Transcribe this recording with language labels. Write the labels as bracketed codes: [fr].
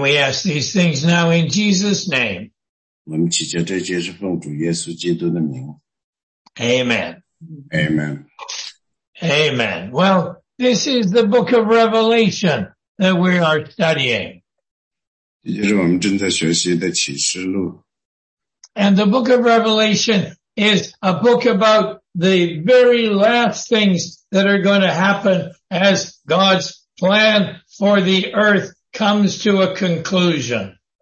[en] we ask these things now in Jesus' name. [zh] 我们祈求这些是奉主耶稣基督的名。Amen. [en] Amen. Amen. Well, this is the book of Revelation that we are studying. [zh] 这就是我们正在学习的启示录。And [en] the book of Revelation is a book about the very last things that are going to happen as God's plan for the earth comes to a conclusion.